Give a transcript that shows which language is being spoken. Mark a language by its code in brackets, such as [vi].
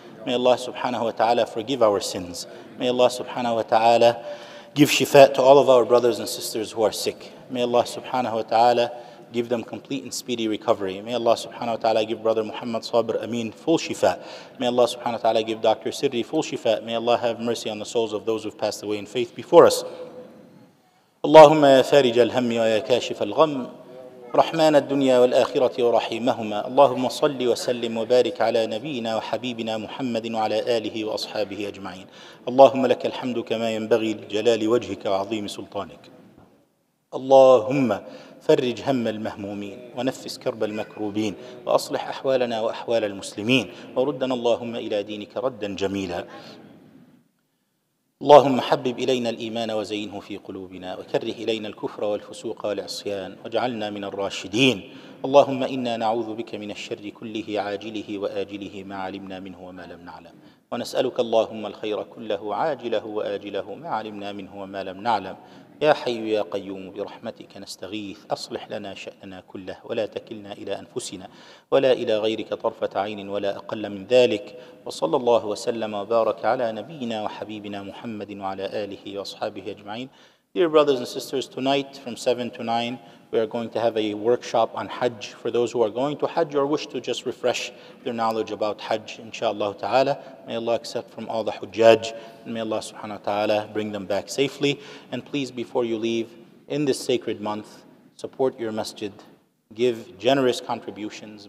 [en] May Allah subhanahu wa ta'ala forgive our sins. May Allah subhanahu wa ta'ala give shifa to all of our brothers and sisters who are sick. May Allah subhanahu wa ta'ala give them complete and speedy recovery. May Allah subhanahu wa ta'ala give brother Muhammad Sabir Amin full shifa. May Allah subhanahu wa ta'ala give Dr. Sirri full shifa. May Allah have mercy on the souls of those who've passed away in faith before us. [ar] Allahumma ya farij al-hammi wa ya kashif al-gham. رحمن الدنيا والآخرة ورحيمهما اللهم صل وسلم وبارك على نبينا وحبيبنا محمد وعلى آله وأصحابه أجمعين اللهم لك الحمد كما ينبغي لجلال وجهك وعظيم سلطانك اللهم فرج هم المهمومين ونفس كرب المكروبين وأصلح أحوالنا وأحوال المسلمين وردنا اللهم إلى دينك ردا جميلا اللهم حبب إلينا الإيمان وزينه في قلوبنا وكره إلينا الكفر والفسوق والعصيان واجعلنا من الراشدين اللهم إنا نعوذ بك من الشر كله عاجله وآجله ما علمنا منه وما لم نعلم ونسألك اللهم الخير كله عاجله وآجله ما علمنا منه وما لم نعلم يا حي يا قيوم برحمتك نستغيث أصلح لنا شأننا كله ولا تكلنا إلى أنفسنا ولا إلى غيرك طرفة عين ولا أقل من ذلك وصلى الله وسلم وبارك على نبينا وحبيبنا محمد وعلى آله وأصحابه أجمعين. [en] Dear brothers and sisters, tonight from 7 to 9 we are going to have a workshop on Hajj for those who are going to Hajj or wish to just refresh their knowledge about Hajj, inshallah ta'ala. May Allah accept from all the Hujjaj, and may Allah subhanahu wa ta'ala bring them back safely. And please, before you leave, in this sacred month, support your masjid, give generous contributions.